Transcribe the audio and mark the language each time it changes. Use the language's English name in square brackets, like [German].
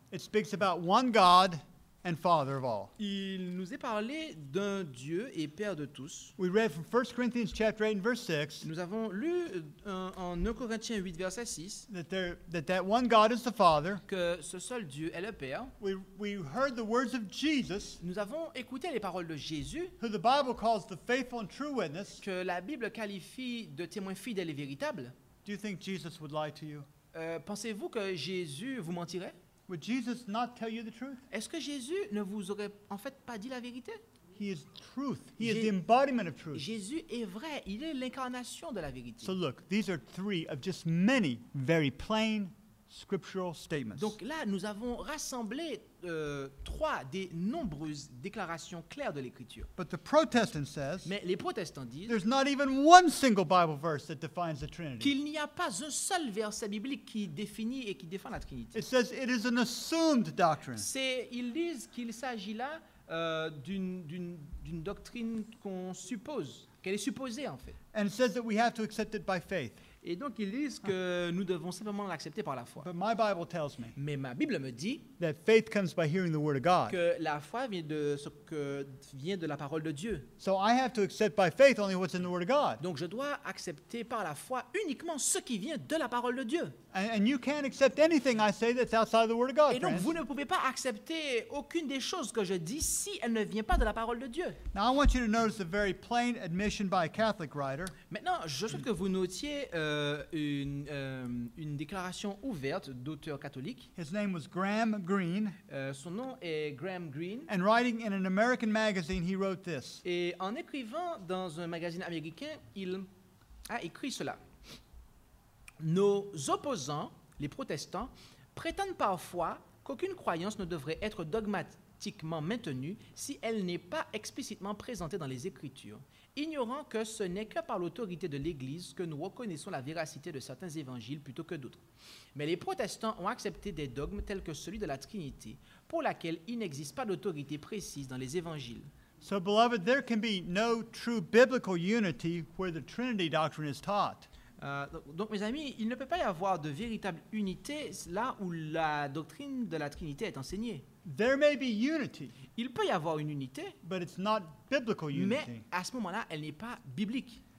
[English] It speaks about one God and Father of all. [French] Il nous est parlé d'un Dieu et Père de tous. [English] We read from 1 Corinthians chapter 8 and verse 6. [French] Nous avons lu en 1 Corinthiens 8 verset 6. [English] That one God is the Father. [French] Que ce seul Dieu est le Père. [English] We heard the words of Jesus. [French] Nous avons écouté les paroles de Jésus. [English] Who the Bible calls the faithful and true witness. [French] Que la Bible qualifie de témoin fidèle et véritable. [English] Do you think Jesus would lie to you? [French] Pensez-vous que Jésus vous mentirait? [English] Would Jesus not tell you the truth? [French] Est-ce que Jésus ne vous aurait en fait pas dit la vérité? [English] He is truth. He is the embodiment of truth. [French] Jésus est vrai. Il est l'incarnation de la vérité. [English] So look, these are three of just many very plain scriptural statements. [French] Donc là, nous avons rassemblé trois des nombreuses déclarations claires de l'Écriture. [English] But the Protestant says. [French] Mais les protestants disent. [English] There's not even one single Bible verse that defines the Trinity. [French] Qu'il n'y a pas un seul verset biblique qui définit et qui défend la Trinité. [English] It says it is an assumed doctrine. [French] Ils disent qu'il s'agit là d'une doctrine qu'on suppose, qu'elle est supposée en fait. [English] And it says that we have to accept it by faith. [French] Et donc ils disent que nous devons simplement l'accepter par la foi. [English] But my Bible tells me. [French] Mais ma Bible me dit. [English] That faith comes by hearing the word of God. [French] Que la foi vient de ce que vient de la parole de Dieu. [English] So I have to accept by faith only what's in the word of God. [French] Donc je dois accepter par la foi uniquement ce qui vient de la parole de Dieu. [English] And you can't accept anything I say that's outside the word of God. [French] Et donc [English] friends. [French] Vous ne pouvez pas accepter aucune des choses que je dis si elle ne vient pas de la parole de Dieu. [English] Now I want you to notice a very plain admission by a Catholic writer. [French] Maintenant, je souhaite que vous notiez une déclaration ouverte d'auteur catholique. [English] His name was Graham Greene. [French] Son nom est Graham Greene. [English] And writing in an American magazine, he wrote this. [French] Et en écrivant dans un magazine américain, il a écrit cela. Nos opposants, les protestants, prétendent parfois qu'aucune croyance ne devrait être dogmatiquement maintenue si elle n'est pas explicitement présentée dans les Écritures. Ignorant que ce n'est que par l'autorité de l'Église que nous reconnaissons la véracité de certains évangiles plutôt que d'autres. Mais les protestants ont accepté des dogmes tels que celui de la Trinité, pour laquelle il n'existe pas d'autorité précise dans les évangiles. [English] So, beloved, there can be no true biblical unity where the Trinity doctrine is taught. [French] Donc, mes amis, il ne peut pas y avoir de véritable unité là où la doctrine de la Trinité est enseignée. [English] There may be unity, [French] il peut y avoir une unité, [English] but it's not biblical unity. [French] Mais à ce moment-là, elle n'est pas biblique.